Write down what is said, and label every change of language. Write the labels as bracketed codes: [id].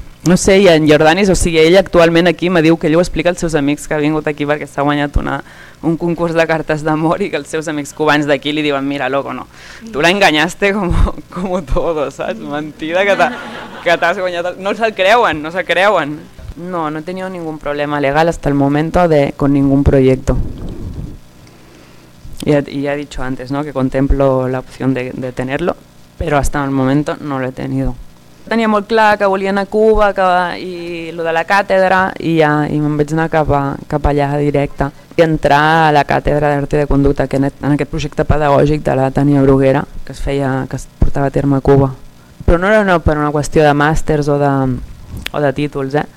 [ca] No sé, i en Jordanis, o sigui, ell actualment aquí me diu que ell ho explica als seus amics que ha vingut aquí perquè s'ha guanyat un concurs de cartes d'amor i que els seus amics cubans d'aquí li diuen, [es] mira, loco, no, tu l'enganyaste como todo, [ca] saps? Mentida que t'has guanyat. No se'l creuen, no se'l creuen. [es] No, no he tenido ningún problema legal hasta el momento de con ningún proyecto. Ya he dicho antes, ¿no?, que contemplo la opción de tenerlo, pero hasta el momento no lo he tenido. [ca] Tenia molt clar que volia anar a Cuba i lo de la càtedra i me'n vaig anar cap allà directe i entrar a la càtedra d'Arte de Conducta, que en aquest projecte pedagògic de la Tania Bruguera que es portava a terme a Cuba. Però no era per una qüestió de màsters o de títols, eh?